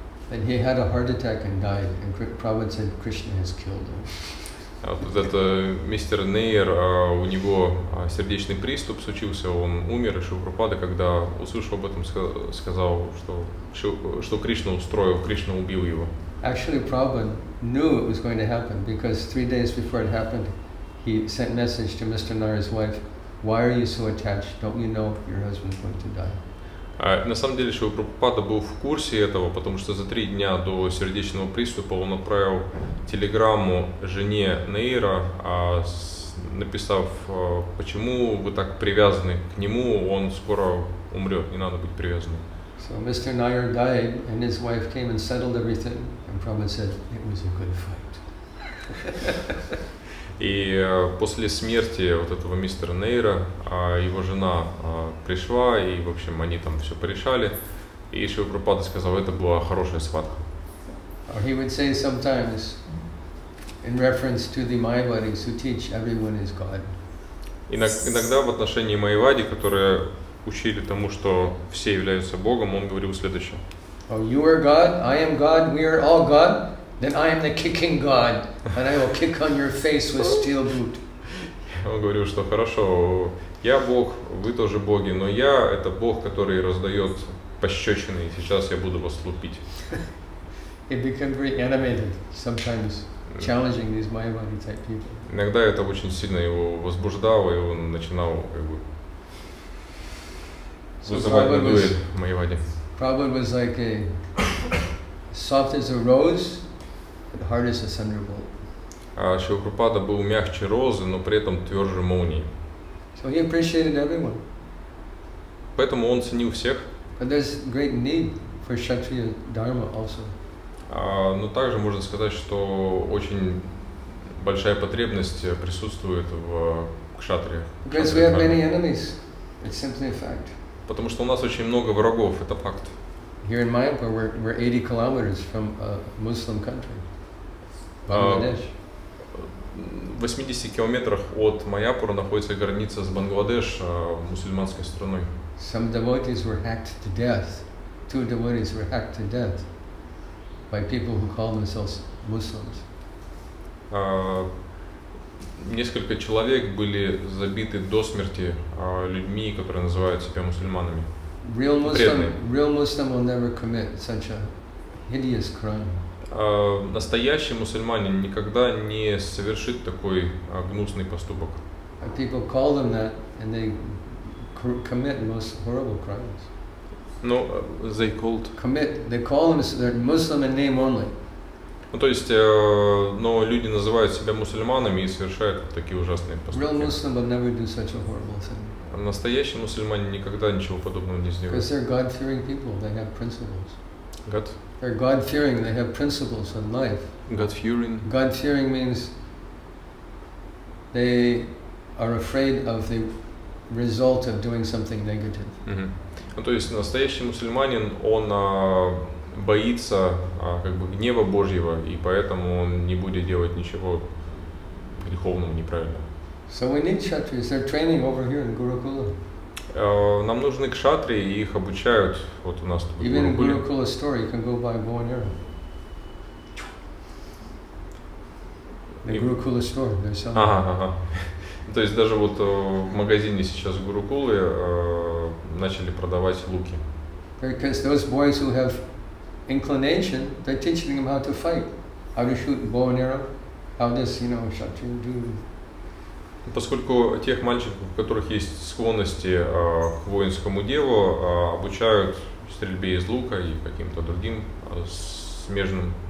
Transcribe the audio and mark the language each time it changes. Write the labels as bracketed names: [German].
[English] And he had a heart attack and died, and Prabhupada said Krishna has killed him. [Russian] Вот это мистер Нейр, у него сердечный приступ случился, он умер, и Шрила Прабхупада, когда услышал об этом, сказал, что Кришна устроил, Кришна убил его. [English] Actually, Prabhupada knew it was going to happen, because 3 days before it happened, he sent message to Mr. Nair's wife, why are you so attached? Don't you know your husband's going to die? [Russian] На самом деле, Шрила Прабхупада был в курсе этого, потому что за 3 дня до сердечного приступа он отправил телеграмму жене Нейра, написав, почему вы так привязаны к нему, он скоро умрет, не надо быть привязанным. [English] So Mr. Nair died, and his wife came and settled everything, and Prabhupada said, it was a good fight. [Russian] И после смерти вот этого мистера Нейра, его жена пришла, и, в общем, они там все порешали. И Шрила Прабхупада сказал, это была хорошая схватка. [English] Or he would say sometimes, in reference to the Mayavadis who teach everyone is God. [Russian] Иногда в отношении Майявади, которые учили тому, что все являются Богом, он говорил следующее. [English] Oh, you are God, I am God, we are all God. Then I am the kicking god, and I will kick on your face with steel boot. [Russian] Он говорил, что хорошо, я бог, вы тоже боги, но я это бог, который раздает пощечины, и сейчас я буду вас лупить. [English] He became very animated sometimes, challenging these Mayavadi type people. [Russian] Иногда это очень сильно его возбуждало, и он начинал как бы вызывать на дуэль Mayavadi. [English] Prabhupada was like a soft as a rose. [Russian] Шрила Прабхупада был мягче розы, но при этом тверже молнии. [English] So he appreciated everyone. [Russian] Поэтому он ценил всех. [English] But there's great need for kshatriya dharma also. [Russian] Но также можно сказать, что очень большая потребность присутствует в кшатриях. [English] Because we have many enemies. It's simply a fact. [Russian] Потому что у нас очень много врагов, это факт. [English] Here in Mayapur, we're 80 kilometers from a Muslim country, Bangladesh. [Russian] 80 километрах от Майяпура находится граница с Бангладеш, мусульманской страной. [English] Some devotees were hacked to death. Two devotees were hacked to death by people who call themselves Muslims. [Russian] Несколько человек были забиты до смерти людьми, которые называют себя мусульманами. [English] Real Muslim will never commit such a hideous crime. [Russian] Настоящий мусульманин никогда не совершит такой гнусный поступок. [English] People call them that and they commit most horrible crimes. No, they called. Commit. They call them they're Muslim in name only. [Russian] Ну, то есть, но люди называют себя мусульманами и совершают такие ужасные поступки. [English] Real Muslim would never do such a horrible thing. [Russian] Настоящий мусульманин никогда ничего подобного не сделает. [English] Because they're God-fearing people, they have principles. God? They're God-fearing, they have principles in life. God-fearing? God-fearing means they are afraid of the result of doing something negative. [Russian] Mm-hmm. Ну, то есть, настоящий мусульманин, он... боится как бы гнева Божьего, и поэтому он не будет делать ничего греховного, неправильного. [English] So we need kshatriyas. They're training over here in Gurukula. [Russian] Нам нужны кшатри, и их обучают вот у нас тут. [English] Even in Gurukula story, you can go by bow and arrow. The Gurukula store, they're selling. [Russian] Ага. То есть даже вот в магазине сейчас Гурукулы начали продавать луки. [English] Because those boys who have inclination, they're teaching them how to fight, how to shoot bow and arrow, how does, you know, kshatriya do. [Russian] Поскольку тех мальчиков, у которых есть склонности к воинскому делу, обучают стрельбе из лука и каким-то другим смежным